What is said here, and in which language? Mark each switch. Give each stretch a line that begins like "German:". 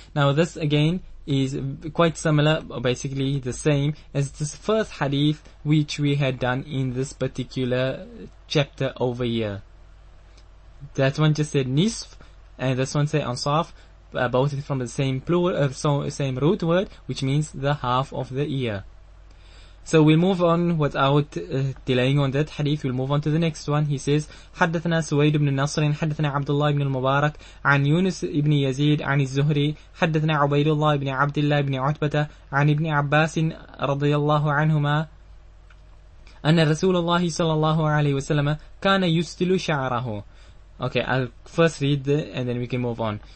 English: Now this again is quite similar, basically the same as this first hadith which we had done in this particular chapter over here. That one just said nisf, and this one said ansaf, both from the same plural, same root word, which means the half of the ear. So we'll move on without delaying on that hadith. We'll move on to the next one. He says,
Arabic: حدثنا سويد بن نصر حدثنا عبد الله بن المبارك عن يونس بن يزيد عن الزهري حدثنا عبيد الله بن عبد الله بن عتبة عن ابن عباس رضي الله عنهما أن رسول الله صلى الله عليه وسلم كان يستل شعره.
English: Okay, I'll first read and then we can move on.